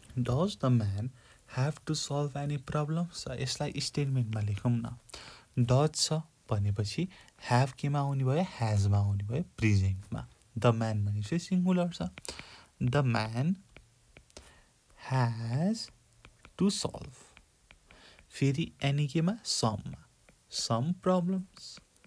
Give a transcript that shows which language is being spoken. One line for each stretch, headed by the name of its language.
English: Does the man have to solve any problems?
Nepali: यसलाई स्टेटमेन्टमा लेखौँ न. डज छ भनेपछि have केमा आउने भयो, हेजमा आउने भयो, प्रेजेन्टमा. द म्यान भनेपछि सिङ्गुलर छ.
English: The man has to solve.
Nepali: फेरि एनी केमा? सममा. Some problems.